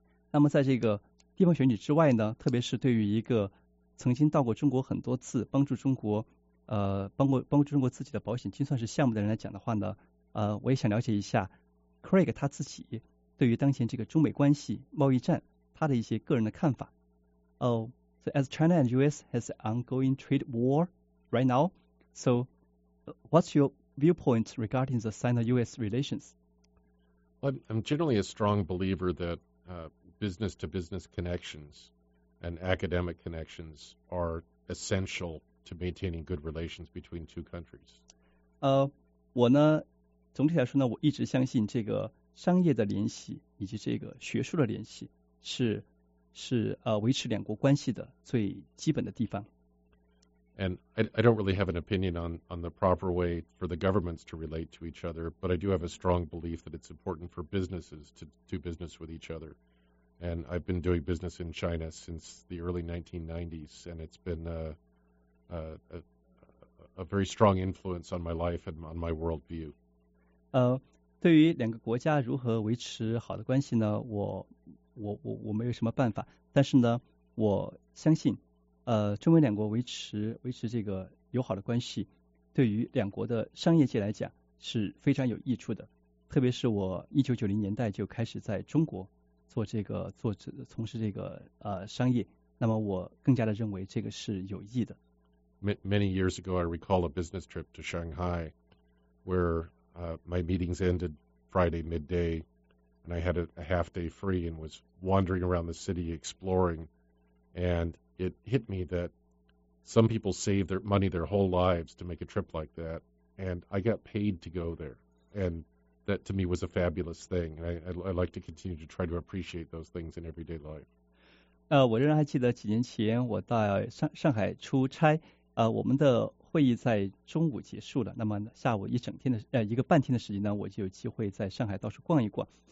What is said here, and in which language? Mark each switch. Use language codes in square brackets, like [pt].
[zh] 那么在这个地方选举之外呢，特别是对于一个曾经到过中国很多次，帮助中国。帮助中国自己的保险精算师项目的人来讲的话呢，我也想了解一下 Craig 他自己对于当前这个中美关系贸易战他的一些个人的看法。 [en] So as China and US has ongoing trade war right now, so what's your viewpoint regarding the Sino-US relations? Well, I'm generally a strong believer that business to business connections and academic connections are essential. To maintaining good relations between two countries. [zh] 我呢，总体来说呢，我一直相信这个商业的联系以及这个学术的联系是维持两国关系的最基本的地方。 [en] And I don't really have an opinion on the proper way for the governments to relate to each other, but I do have a strong belief that it's important for businesses to do business with each other. And I've been doing business in China since the early 1990s, and it's been a very strong influence on my life and on my world view. [zh] 对于两个国家如何维持好的关系呢？我没有什么办法。但是呢，我相信，中美两国维持这个友好的关系，对于两国的商业界来讲是非常有益处的。特别是我1990年代就开始在中国从事这个商业，那么我更加的认为这个是有益的。 [en] Many years ago, I recall a business trip to Shanghai where my meetings ended Friday midday and I had a half day free and was wandering around the city exploring. And it hit me that some people save their money their whole lives to make a trip like that. And I got paid to go there. And that to me was a fabulous thing. And I like to continue to try to appreciate those things in everyday life. [zh] 我仍然还记得几年前我到上海出差。我们的会议在中午结束了，那么下午一个半天的时间呢，我就有机会在上海到处逛一逛。